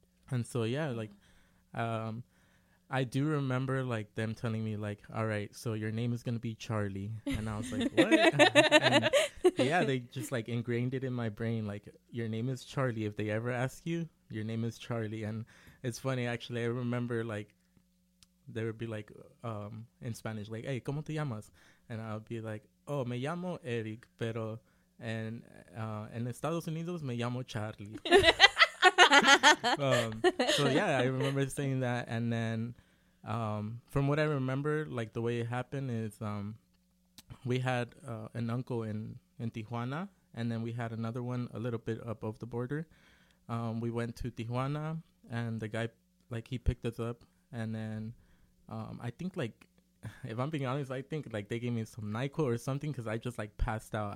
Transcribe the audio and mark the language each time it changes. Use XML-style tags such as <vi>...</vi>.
<en>And so, yeah, like I do remember like them telling me like, all right, so your name is going to be Charlie. And I was like, what? Yeah, they just like ingrained it in my brain. Like, your name is Charlie. If they ever ask you, your name is Charlie. And it's funny, actually, I remember like, they would be like, in Spanish, like, hey,</en> <es>¿cómo te llamas?</es> <en>And I'll be like,</en> <es>oh, me llamo Eric, pero en Estados Unidos me llamo Charlie.</es> <en>So, yeah, I remember saying that. And then from what I remember, like, the way it happened is we had an uncle in Tijuana, and then we had another one a little bit above the border. We went to Tijuana, and the guy, like, he picked us up, and then I think, like, if I'm being honest, I think, like, they gave me some NyQuil or something because I just, like, passed out.</en>